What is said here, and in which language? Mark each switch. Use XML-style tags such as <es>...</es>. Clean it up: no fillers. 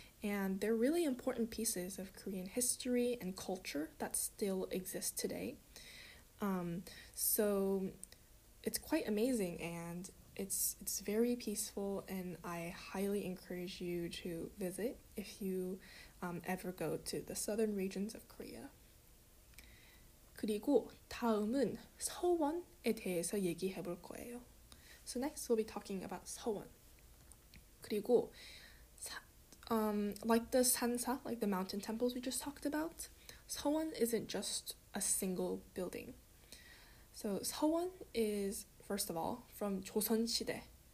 <en>And they're really important pieces of Korean history and culture that still exist today. So it's quite amazing, and it's very peaceful, and I highly encourage you to visit if you ever go to the southern regions of Korea.</en> <ko>그리고 다음은 서원에 대해서 얘기해 볼 거예요.</ko> <en>So next we'll be talking about 서원. 그리고 like the Sansa, like the mountain temples we just talked about, 서원 isn't just a single building. So 서원 is, first of all, from 조선시대.</en>